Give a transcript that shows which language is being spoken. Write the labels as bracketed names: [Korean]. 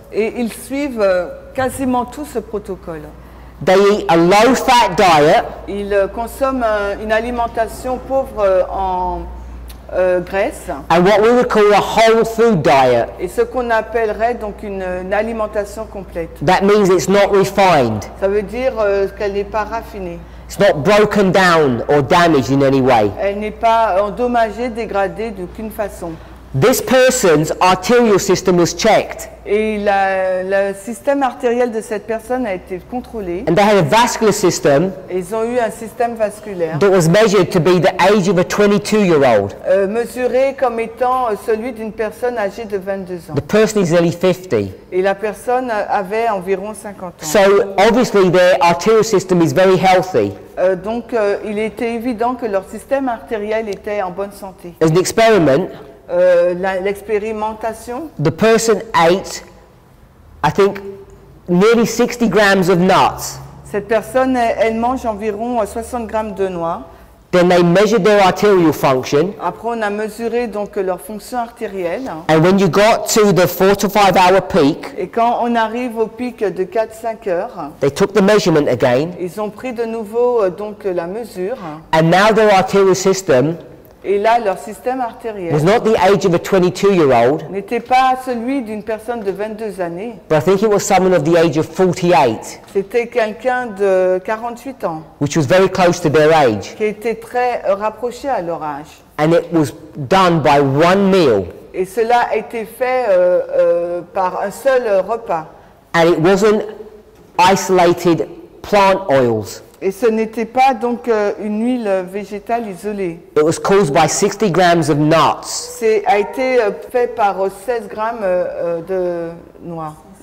[French] Et ils suivent quasiment tout ce protocole. [English] They eat a low fat diet. [French] Ils consomment une alimentation pauvre en graisse. [English] And what we would call a whole food diet. [French] Et ce qu'on appellerait donc une alimentation complète. [English] That means it's not refined. [French] Ça veut dire qu'elle n'est pas raffinée. [English] It's not broken down or damaged in any way. [French] Elle n'est pas endommagée, dégradée d'aucune façon. [English] This person's arterial system was checked. [French] Et le système artériel de cette personne a été contrôlé. [English] And they had a vascular system. [French] Et ils ont eu un système vasculaire. [English] That was measured to be the age of a 22-year-old. [French] Mesuré comme étant celui d'une personne âgée de 22 ans. [English] The person is nearly 50. [French] Et la personne avait environ 50 ans. [English] So obviously their arterial system is very healthy. [French] Donc il était évident que leur système artériel était en bonne santé. [English] As an experiment. [French] L'expérimentation. [English] The person ate, I think, nearly 60 grams of nuts. [French] Cette personne, elle mange environ 60 grammes de noix. [English] Then they measured their arterial function. [French] Après, on a mesuré donc leur fonction artérielle. [English] And when you got to the 4 to 5 hour peak. [French] Et quand on arrive au pic de 4-5 heures. [English] They took the measurement again. [French] Ils ont pris de nouveau donc la mesure. [English] And now their arterial system. [French] Et là, leur système artériel [English] was not the age of a 22-year-old, [French] n'était pas celui d'une personne de 22 années. [English] But I think it was someone of the age of 48. [French] C'était quelqu'un de 48 ans. [English] Which was very close to their age. [French] Qui était très rapproché à leur âge. [English] And it was done by one meal. [French] Et cela a été fait par un seul repas. [English] And it wasn't isolated plant oils. [French] Et ce n'était pas donc une huile végétale isolée. [English] It was caused by 60 grams of nuts. [French] C'est a été fait par 16 grammes de noix.